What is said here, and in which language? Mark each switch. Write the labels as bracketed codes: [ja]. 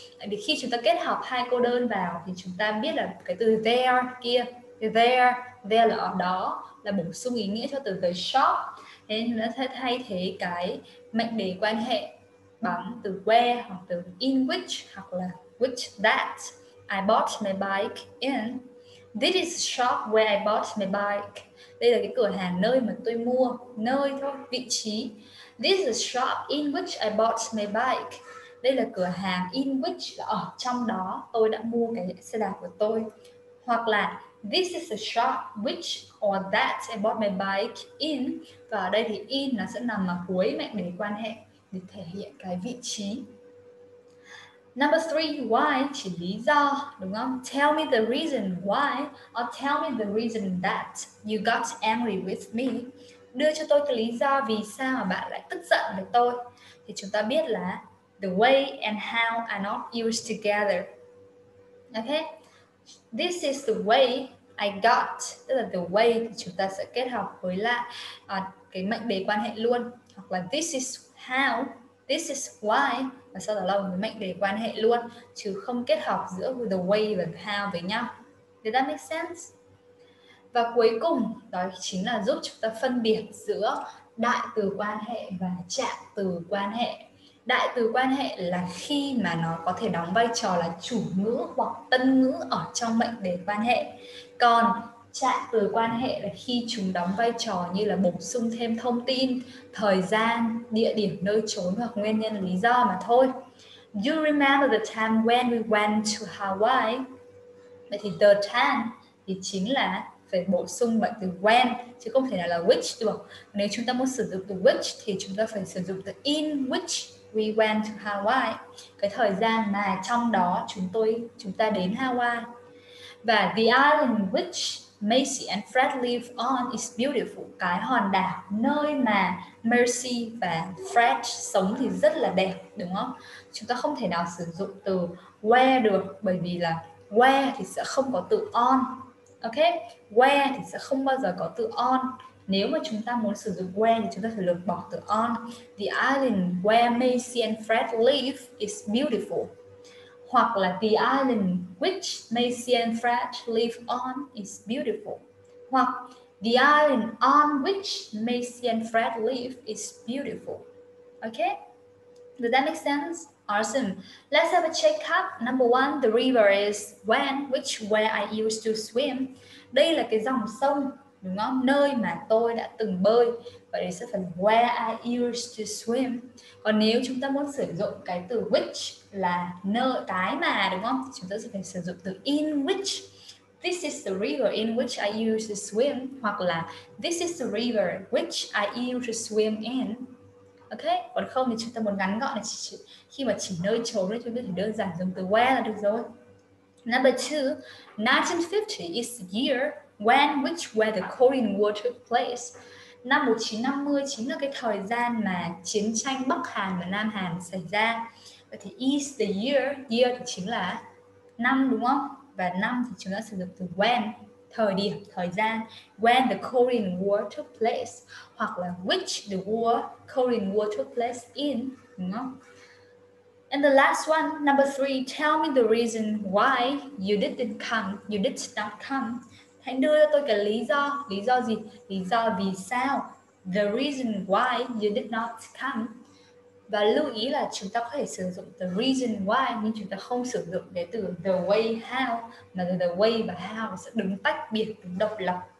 [vi] Tại vì khi chúng ta kết hợp hai câu đơn vào thì chúng ta biết là cái từ there kia, there là ở đó, là bổ sung ý nghĩa cho từ the shop. Thế nên chúng ta sẽ thay thế cái mệnh đề quan hệ bằng từ where hoặc từ in which hoặc là which that I bought my bike in. [en] This is the shop where I bought my bike. [vi] Đây là cái cửa hàng nơi mà tôi mua, nơi thôi, vị trí. [en] This is the shop in which I bought my bike. [vi] Đây là cửa hàng in which, ở trong đó tôi đã mua cái xe đạp của tôi. [en] Hoặc là this is the shop which or that I bought my bike in. [vi] Và ở đây thì in nó sẽ nằm ở cuối mệnh đề quan hệ để thể hiện cái vị trí. Number three, why, chỉ lý do, đúng không? [en] Tell me the reason why or tell me the reason that you got angry with me. [vi] Đưa cho tôi cái lý do vì sao mà bạn lại tức giận với tôi. [en] Thì chúng ta biết là the way and how are not used together. Okay? [vi] This is the way I got. Tức là the way thì chúng ta sẽ kết hợp với lại cái mệnh đề quan hệ luôn. Hoặc là this is how, this is why, và sau đó là mệnh đề quan hệ luôn, chứ không kết hợp giữa the way và how với nhau. Did that make sense? Và cuối cùng, đó chính là giúp chúng ta phân biệt giữa đại từ quan hệ và trạng từ quan hệ. Đại từ quan hệ là khi mà nó có thể đóng vai trò là chủ ngữ hoặc tân ngữ ở trong mệnh đề quan hệ. Còn trạng từ quan hệ là khi chúng đóng vai trò như là bổ sung thêm thông tin, thời gian, địa điểm, nơi chốn hoặc nguyên nhân, lý do mà thôi. [en] Do you remember the time when we went to Hawaii? [vi] Vậy thì the time thì chính là phải bổ sung mệnh từ when, chứ không thể nào là which được. Nếu chúng ta muốn sử dụng từ which thì chúng ta phải sử dụng từ in which we went to Hawaii, cái thời gian mà trong đó chúng ta đến Hawaii. [en] Và the island which Mercy and Fred live on is beautiful. [vi] Cái hòn đảo nơi mà Mercy và Fred sống thì rất là đẹp, đúng không? Chúng ta không thể nào sử dụng từ where được, bởi vì là where thì sẽ không có từ on. Ok, where thì sẽ không bao giờ có từ on. Nếu mà chúng ta muốn sử dụng where thì chúng ta phải lược bỏ từ on. [en] The island where Mercy and Fred live is beautiful. Hoặc là the island which Mercy and Fred live on is beautiful. Hoặc the island on which Mercy and Fred live is beautiful. Okay? Does that make sense? Awesome. Let's have a check up. Number one, the river is when, which where I used to swim. [vi] Đây là cái dòng sông, đúng không? Nơi mà tôi đã từng bơi. Vậy thì sẽ phải where I used to swim. Còn nếu chúng ta muốn sử dụng cái từ which là nơi, cái mà, đúng không? Chúng ta sẽ phải sử dụng từ in which. [en] This is the river in which I used to swim. Hoặc là this is the river which I used to swim in. [vi] Ok, còn không thì chúng ta muốn ngắn gọn là khi mà chỉ nơi trốn thì chúng ta phải đơn giản dùng từ where là được rồi. [en] Number two, 1950 is the year when which where the Korean War took place. [vi] Năm 1950 chính là cái thời gian mà chiến tranh Bắc Hàn và Nam Hàn xảy ra. Vậy thì is the year, year thì chính là năm, đúng không? Và năm thì chúng ta sử dụng từ when, thời điểm, thời gian, when the Korean War took place, hoặc là which the war, Korean War took place in, đúng không? [en] And the last one, number three, tell me the reason why you didn't come, you did not come. [vi] Hãy đưa cho tôi cái lý do gì, lý do vì sao, the reason why you did not come. Và lưu ý là chúng ta có thể sử dụng the reason why, nhưng chúng ta không sử dụng cái từ the way how, mà the way và how sẽ đứng tách biệt, đứng độc lập.